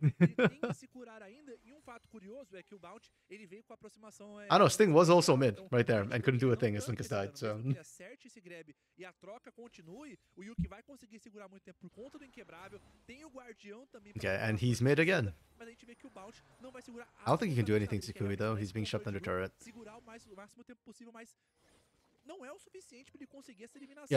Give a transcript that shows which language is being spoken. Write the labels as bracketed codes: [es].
[en] I know, Sting was also mid right there and couldn't do a thing as Link has died, so. [pt] Acerte esse grab e a troca continue, o Yuki vai conseguir segurar muito tempo por conta do inquebrável, tem o guardião também. [en] Okay, and he's mid again. [pt] Mas a gente vê que o Bounty não vai segurar. [en] I don't think he can do anything to Kumi though, he's being shoved under turret. [pt] Segurar o máximo tempo possível, mas não é o suficiente para ele conseguir essa eliminação.